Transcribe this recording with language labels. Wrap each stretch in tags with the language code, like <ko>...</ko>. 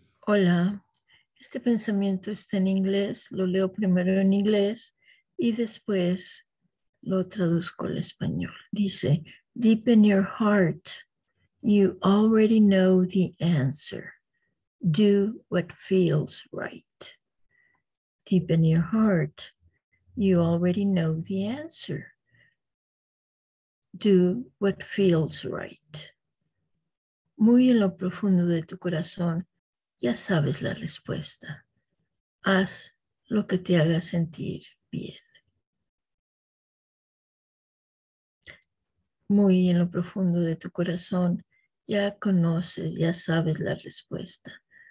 <es>Hola, este pensamiento está en inglés, lo leo primero en inglés y después lo traduzco al español.</es> <en>Dice, deep in your heart, you already know the answer. Do what feels right. Deep in your heart, you already know the answer. Do what feels right.</en> <es>Muy en lo profundo de tu corazón, ya sabes la respuesta. Haz lo que te haga sentir bien. Muy en lo profundo de tu corazón, ya conoces, ya sabes la respuesta.</es>